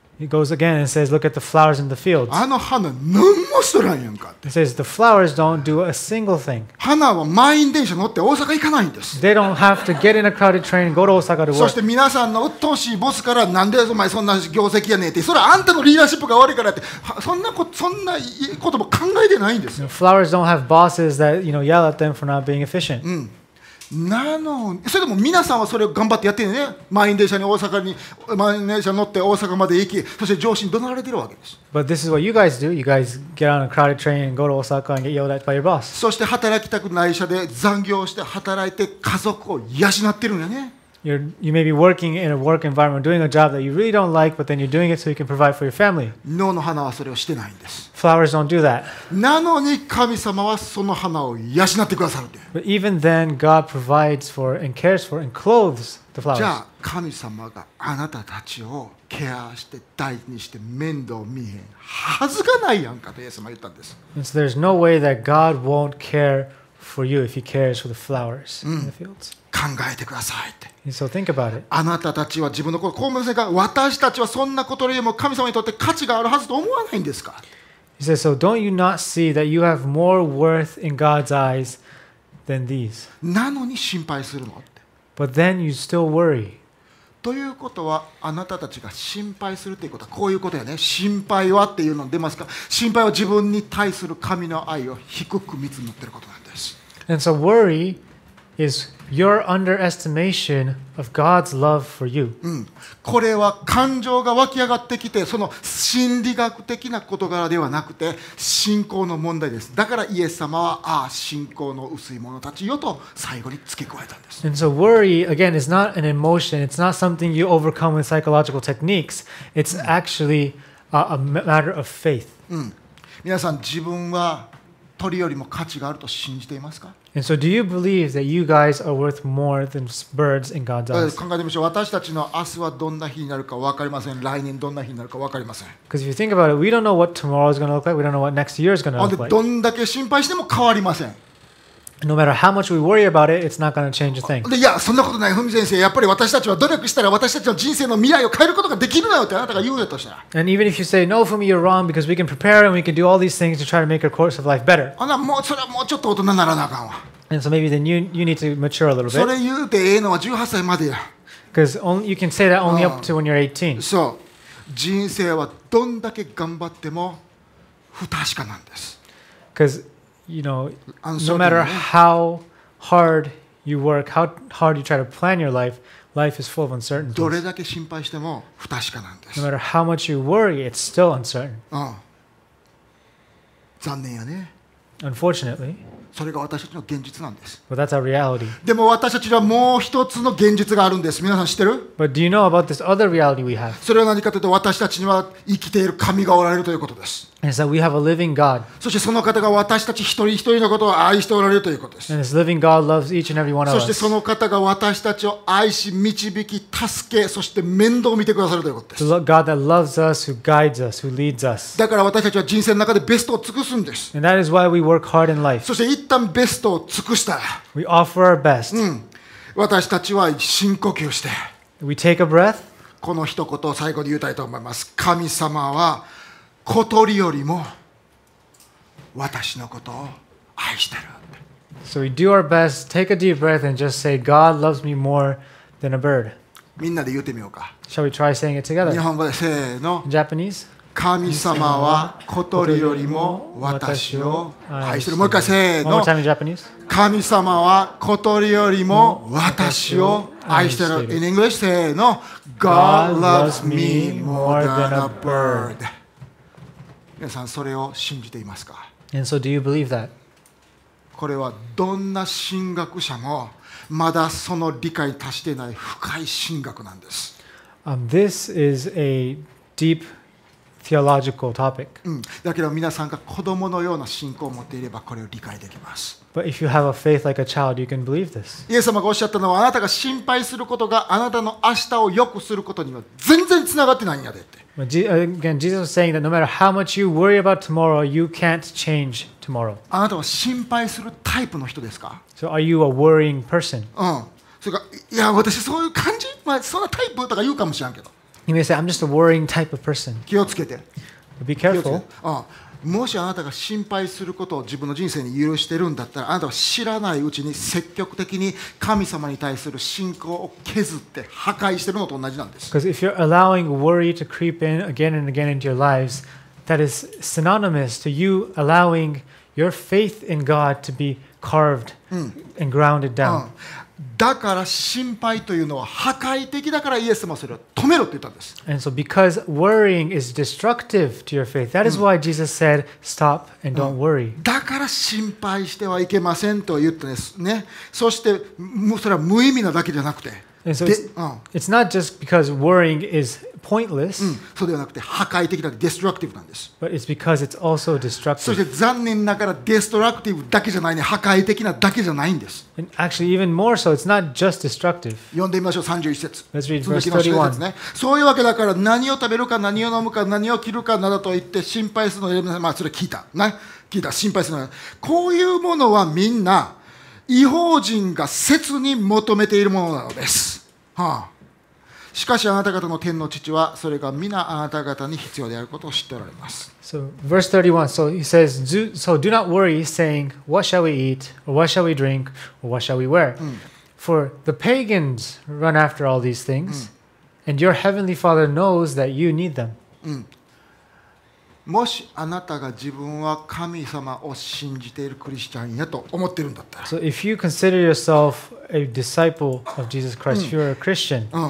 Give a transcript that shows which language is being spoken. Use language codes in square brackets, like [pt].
[en] He goes again and says, "Look at the flowers in the fields." [ja] あの花何もしとらんやんかって。 [en] He says, "The flowers don't do a single thing." [ja] 花は満員電車乗って大阪行かないんです。 [en] They don't have to get in a crowded train and go to Osaka to work. [ja] そして皆さんの鬱陶しいボスからなんでお前そんな業績やねんって。それはあんたのリーダーシップが悪いからって。そんなことも考えてないんです。 [en] You know, flowers don't have bosses that you know yell at them for not being efficient.、 [ja] うんなのそれでも皆さんはそれを頑張ってやってるね。満員電車に大阪に満員電車乗って大阪まで行き、そして上司に怒鳴られてるわけです。 [en] But this is what you guys do. You guys get on a crowded train and go to Osaka and get yelled at by your boss. [ja] そして働きたくない社で残業して働いて家族を養ってるんだね。 [en] You may be working in a work environment, doing a job that you really don't like, but then you're doing it so you can provide for your family. No, [ja] の花はそれをしてないんです。 [en] Flowers don't do that. [ja] なのに神様はその花を養ってくださるんで。 [en] But even then, God provides for and cares for and clothes the flowers. [ja] じゃあ神様があなたたちをケアして大事にして面倒見へんはずがないやんかとイエス様は言ったんです。 [en] And so there's no way that God won't care for you if He cares for the flowers in the fields.、 [ja] うん考えてくださいって。 [en] So、think about it. [ja] あなたたちは自分のこと、こう思いませんか？私たちはそんなことよりも神様にとって価値があるはずと思わないんですか？ [en] He says, so don't you not see that you have more worth in God's eyes than these? [ja] なのに心配するのって。 [en] But then you still worry. [ja] ということは、あなたたちが心配するということはこういうことよね。心配はっていうの出ますか？心配は自分に対する神の愛を低く見積もっていることなんです。 [en] And so worry. Is your underestimation of God's love for you?、 [ja] うん、これは感情が湧き上がってきて、その心理学的な事柄ではなくて信仰の問題です。だからイエス様は、ああ信仰の薄い者たちよと最後に付け加えたんです。 [en] And so worry again is not an emotion. It's not something you overcome with psychological techniques. It's actually a matter of faith.、 [ja] うん、皆さん自分は鳥よりも価値があると信じていますか？ [en] And so, do you believe that you guys are worth more than birds in God's eyes? [ja] 考えてみましょう。私たちの明日はどんな日になるか分かりません。来年どんな日になるか分かりません。 [en] Because if you think about it, we don't know what tomorrow is going to look like. We don't know what next year is going to look like. [ja] どんだけ心配しても変わりません。 [en] No matter how much we worry about it, it's not going to change a thing. [ja] いや、そんなことない、ふみ先生。やっぱり私たちは努力したら私たちの人生の未来を変えることができるのよってあなたが言うよとしたら。 [en] And even if you say, no, Fumi, you're wrong because we can prepare and we can do all these things to try to make our course of life better. [ja] もうそれはもうちょっと大人ならなあかんわ。 [en] And so maybe then you need to mature a little bit. [ja] それ言うてええのは18歳までや。 [en] Because you can say that only up to when you're 18. [ja] そう。人生はどんだけ頑張っても不確かなんです。 [en] You know, no matter how hard you work, how hard you try to plan your life, life is full of uncertainty. [ja] どれだけ心配しても不確かなんです。 [en] No matter how much you worry, it's still uncertain. [ja] うん。残念やね。 [en] Unfortunately. [ja] それが私たちの現実なんです。 [en] But that's our reality. [ja] でも私たちにはもう一つの現実があるんです。皆さん知ってる？ [en] But do you know about this other reality we have? [ja] それは何かというと私たちには生きている神がおられるということです。 [en] And so we have a living God. [ja] そしてその方が私たち一人一人のことを愛しておられるということです。 [en] And this living God loves each and every one of us. [ja] そしてその方が私たちを愛し、導き、助け、そして面倒を見てくださるということです。 [en] God that loves us, who guides us, who leads us. [ja] だから私たちは人生の中でベストを尽くすんです。 [en] And that is why we work work hard in life. [ja] そして一旦ベストを尽くしたら、 [en] we offer our best. [ja] うん、私たちは深呼吸をして、 [en] we take a breath. [ja] この一言を最後に言いたいと思います。神様は小鳥よりも私のことを愛してる。 [en] So we do our best, take a deep breath and just say, God loves me more than a bird. [ja] みんなで言ってみようか。 [en] Shall we try saying it together? [ja] 日本語でせーの。 [en] Japanese? [ja] 神様は小鳥よりも私を愛してる。もう一回せーの。 [en] One more time in Japanese. [ja] 神様は小鳥よりも私を愛してる。 [en] In English, [ja] せーの。 [en] God loves me more than a bird. [ja] 皆さんそれを信じていますか? [en] And so do you believe that? [ja] これはどんな神学者もまだその理解に達していない深い神学なんです。 [en] This is a deep theological topic. [ja] うん。だけど皆さんが子供のような信仰を持っていればこれを理解できます。 [en] But if you have a faith like a child, you can believe this. [ja] イエス様がおっしゃったのはあなたが心配することがあなたの明日を良くすることには全然つながってないんやでって。 [en] Again, Jesus is saying that no matter how much you worry about tomorrow, you can't change tomorrow. [ja] あなたは心配するタイプの人ですか? [en] So are you a worrying person? [ja] うん。それか、いや、私そういう感じ、まあそんなタイプとか言うかもしれんけど。 [en] You may say, I'm just a worrying type of person. [ja] 気をつけて。 [en] Be careful. [ja] うん。もしあなたが心配することを自分の人生に許してるんだったら、あなたは知らないうちに積極的に神様に対する信仰を削って破壊してるのと同じなんです。 [en] Because if you're allowing worry to creep in again and again into your lives, that is synonymous to you allowing your faith in God to be carved and grounded down. [ja] だから心配というのは破壊的だからイエス様はそれを止めろって言ったんです。 [en] And so because worrying is destructive to your faith, that is why Jesus said, stop and don't worry. [ja] だから心配してはいけませんと言ったんですね。そしてもうそれは無意味なだけじゃなくて、 [en] And so it's not just because worrying is pointless. [ja] そうではなくて破壊的だって destructive なんです。 [en] But it's because it's also destructive. [ja] そして残念ながら destructive だけじゃないね、破壊的なだけじゃないんです。 [en] And actually, even more so, it's not just destructive. [ja] 読んでみましょう、31節。 [en] Let's read verse 31. [ja] ね、そういうわけだから何を食べるか何を飲むか何を着るかなどと言って心配するのを選びなさい。まあそれ聞いた。ね、聞いた。心配するの。こういうものはみんな異邦人が切に求めているものなのです、はあ、しかしあなた方の天の父はそれが皆あなた方に必要であることを知っておられます。 [en] So verse 31 So he says So do not worry saying What shall we eat Or what shall we drink Or what shall we wear、 [ja] うん、 [en] For the pagans run after all these things、うん、And your heavenly father knows that you need them、 [ja] うん、もしあなたが自分は神様を信じているクリスチャンやと思っているんだったら、 [en] So if you consider yourself a disciple of Jesus Christ, if you are a Christian,